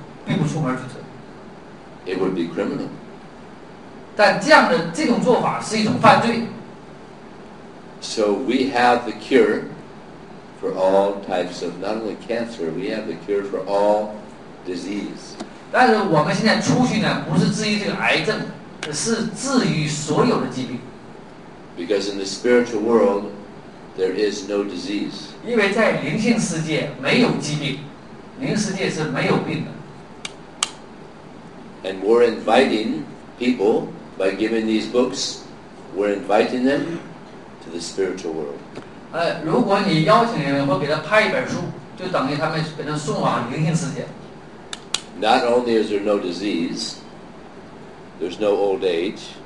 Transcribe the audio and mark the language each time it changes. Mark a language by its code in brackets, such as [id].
[zh] 所以他这里就有这个更大的一个消息是，这个医生能治愈很多的这个疾病，能说所有的癌症，但是他并不公开，并不出去，并不出门去治。 [en] It would be criminal. [zh] 但这样的这种做法是一种犯罪。 [en] So we have the cure for all types of, not only cancer, we have the cure for all disease. [zh] 但是我们现在出去呢，不是治愈这个癌症，是治愈所有的疾病。 [en] Because in the spiritual world, there is no disease. [zh] 因为在灵性世界没有疾病，灵世界是没有病的。 [en] And we're inviting people, by giving these books, we're inviting them to the spiritual world. [zh] 如果你邀请人或给他拍一本书，就等于他们给他送往灵性世界。 [en] Not only is there no disease, there's no old age.